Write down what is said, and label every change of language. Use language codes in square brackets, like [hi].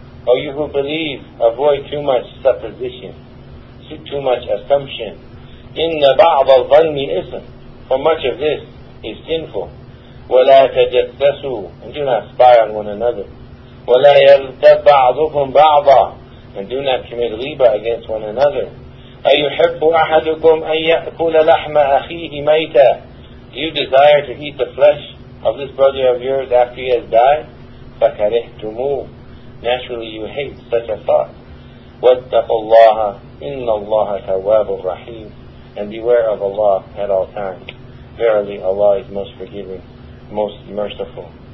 [en] O you who believe, avoid too much supposition, too much assumption. [ar] إِنَّ بَعْضَ الظَّنِّ إِسْمٌ. [en] For much of this is sinful. [ar] وَلَا تَجَسَّسُوا. [en] And do not spy on one another. [ar] وَلَا يَغْتَبْ بَعْضُكُمْ بَعْضًا. [en] And do not commit riba against one another. [ar] أَيُحِبُّ أَحَدُكُمْ أَن يَأْكُلَ لَحْمَ أَخِيهِ مَيْتًا. [en] Do you desire to eat the flesh of this brother of yours after he has died? [ar] فَكَرِهْتُمُوهُ. [en] Naturally you hate such a thought. [ar] وَاتَّقُوا اللَّهَ إِنَّ اللَّهَ تَوَّابٌ رَحِيمٌ. [en] And beware of Allah at all times. Verily Allah is most forgiving, most merciful.